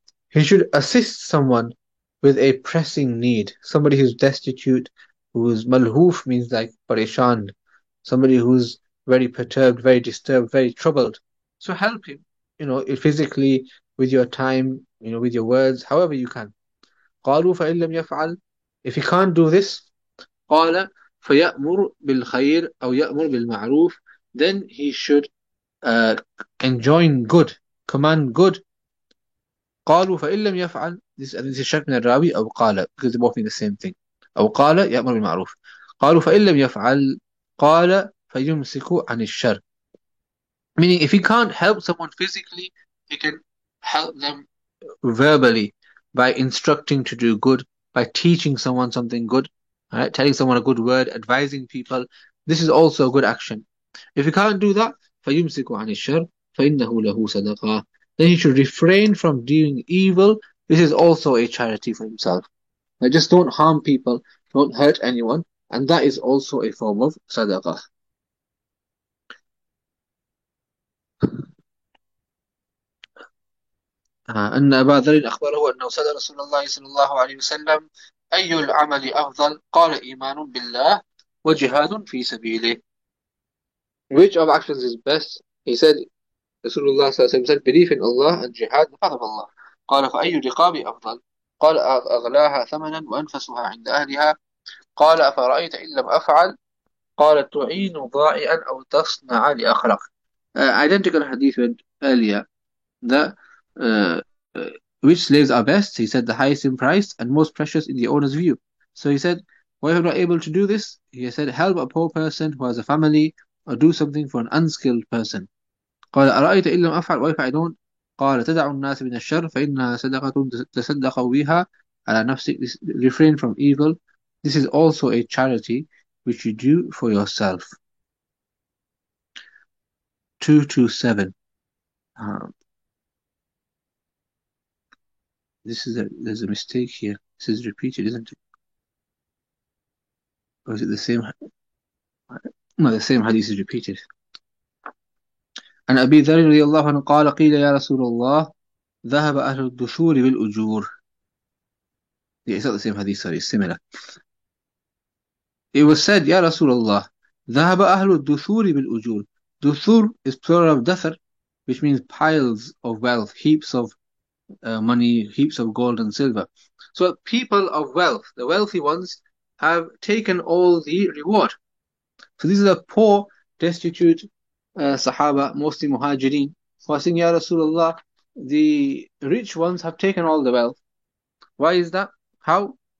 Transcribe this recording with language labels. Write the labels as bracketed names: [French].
[English] He should assist someone with a pressing need. Somebody who's destitute, who's malhoof, means like pareshan. Somebody who's very perturbed, very disturbed, very troubled. So help him, you know, physically, with your time, you know, with your words, however you can. [Arabic] قالوا فإن لم يفعل. [English] If he can't do this, [Arabic] قال فيأمر بالخير أو يأمر بالمعروف. [English] Then he should enjoin good, command good. [Arabic] قالوا فإن لم يفعل. [English] This is [Arabic] شرط من الراوي أو قال, [English] because they both mean the same thing. [Arabic] أو قال يأمر بالمعروف. قالوا فإن لم يفعل. قال فيمسك عن الشر. [English] Meaning, if he can't help someone physically, he can help them verbally by instructing to do good, by teaching someone something good, right? Telling someone a good word, advising people. This is also a good action. If he can't do that, [Arabic] فيمسك عن الشر فإنه له صدقة. [English] Then he should refrain from doing evil. This is also a charity for himself. Like, just don't harm people, don't hurt anyone. And that is also a form of sadaqah. [Arabic] أن أبا ذر أخبره أنه سأل رسول الله صلى الله عليه وسلم أي العمل أفضل؟ قال إيمان بالله وجهاد في سبيله. [English] Which of actions is best? He said, رسول الله صلى الله عليه وسلم said, belief in Allah and jihad in the path of Allah. [Arabic] قال فأي رقاب أفضل؟ قال أغلاها ثمنا وأنفسها عند أهلها. قال أفرأيت إن لم أفعل؟ قال تعين ضائعا أو تصنع لأخلاق. [English] Identical hadith went earlier that which slaves are best? He said the highest in price and most precious in the owner's view. So he said, why am I not able to do this? He said, help a poor person who has a family or do something for an unskilled person. [Arabic] قال أرأيت إن لم أفعل؟ [English] why if I don't? [Arabic] قال تدع الناس من الشر فإنها صدقة تصدق بها على نفسك. [English] Refrain from evil. This is also a charity which you do for yourself. 227. There's a mistake here. This is repeated, isn't it? Or is it the same? No, the same hadith is repeated. [Arabic] عن أبي ذر رضي الله عنه قال قيل يا رسول الله ذهب أهل الدشور بالأجور. [English] Yeah, it's not the same hadith, sorry, it's similar. It was said, [Arabic] يا رسول الله ذهب أهل الدثور بالأجور. [English] دثور is plural of دثر, which means piles of wealth, heaps of money, heaps of gold and silver. So people of wealth, the wealthy ones, have taken all the reward. So these are the poor, destitute Sahaba, mostly Muhajirin, who are saying, Ya Rasulullah, the rich ones have taken all the wealth. Why is that? How?